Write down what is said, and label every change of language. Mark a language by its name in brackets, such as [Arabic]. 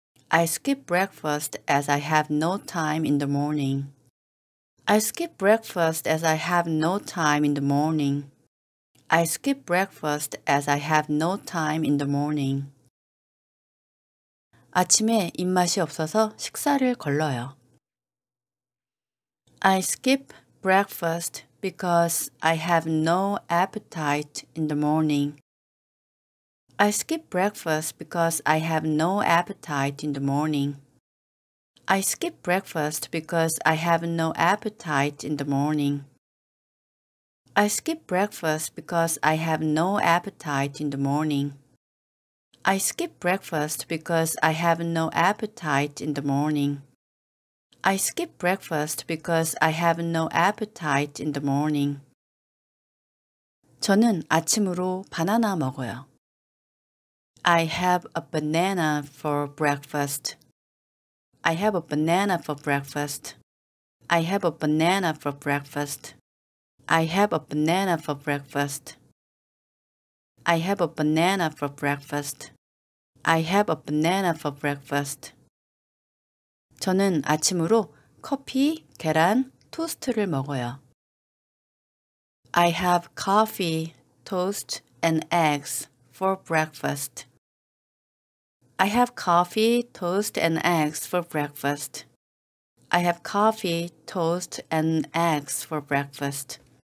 [English] I skip breakfast as I have no time in the morning. I skip breakfast as I have no time in the morning. I skip breakfast as I have no time in the morning. [Korean] 아침에 입맛이 없어서 식사를 걸러요. [English] I skip breakfast because I have no appetite in the morning. I skip breakfast because I have no appetite in the morning. I skip breakfast because I have no appetite in the morning. I skip breakfast because I have no appetite in the morning. I skip breakfast because I have no appetite in the morning. I skip breakfast because I have no appetite in the morning. [Korean] 저는 아침으로 바나나 먹어요. [English] I have a banana for breakfast. I have a banana for breakfast. I have a banana for breakfast. I have a banana for breakfast. I have a banana for breakfast. I have a banana for breakfast. [Korean] 저는 아침으로 커피, 계란, 토스트를 먹어요. [English] I have coffee, toast, and eggs for breakfast. I have coffee, toast, and eggs for breakfast. I have coffee, toast, and eggs for breakfast.